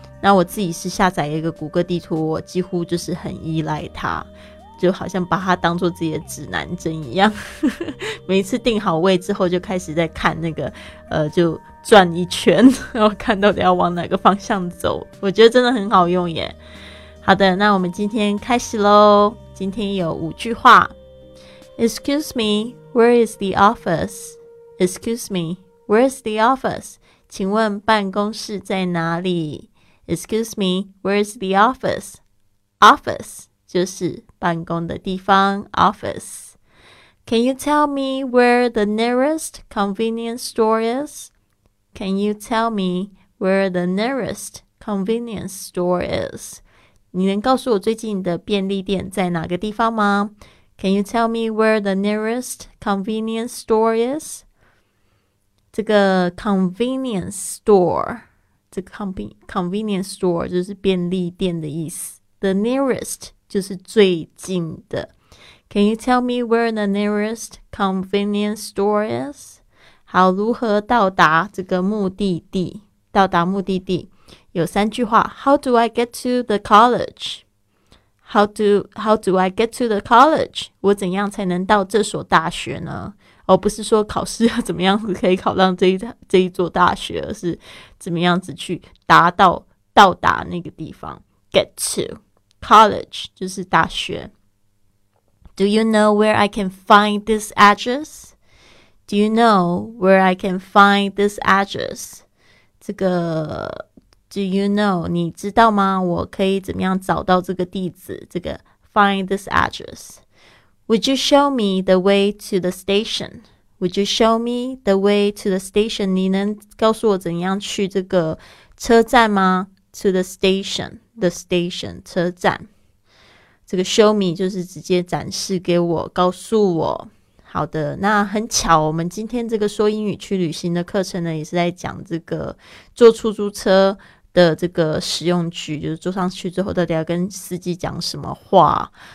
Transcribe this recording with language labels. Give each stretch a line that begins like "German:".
Chinese: 那我自己是下载一个谷歌地图，我几乎就是很依赖它，就好像把它当作自己的指南针一样。每一次定好位之后就开始在看那个就转一圈，然后看到底要往哪个方向走，我觉得真的很好用耶。好的，那我们今天开始咯。今天有五句话。
English: Excuse me, where is the office? Excuse me, where is the office?
Chinese: 请问办公室在哪里？
English: Excuse me, where is the office?
Chinese: Office 就是办公的地方 office.
English: Can you tell me where the nearest convenience store is? Can you tell me where the nearest convenience store is?
Chinese: 你能告诉我最近的便利店在哪个地方吗？
English: Can you tell me where the nearest convenience store is?
Chinese: 这个 convenience store,
English: The convenience store
Chinese: 就是便利店的意思。
English: The nearest
Chinese: 就是最近的。
English: Can you tell me where the nearest convenience store is?
Chinese: 好，如何到达这个目的地？到达目的地有三句话。
English: How do I get to the college? How do I get to the college?
Chinese: 我怎样才能到这所大学呢？不是说考试要怎么样子可以考上这一座大学，而是怎么样子去到达那个地方。
English: Get to college
Chinese: 就是大学。
English: Do you know where I can find this address? Do you know where I can find this address?
Chinese: 这个
English: Do you know
Chinese: 你知道吗？我可以怎么样找到这个地址，这个
English: find this address。 Would you show me the way to the station? Would you show me the way to the station?
Chinese: 你能告诉我怎样去这个车站吗？
English: To the station, the station,
Chinese: 车站。这个
English: show me
Chinese: 就是直接展示给我，告诉我。好的，那很巧，我们今天这个说英语去旅行的课程呢，也是在讲这个坐出租车的这个实用句，就是坐上去之后到底要跟司机讲什么话。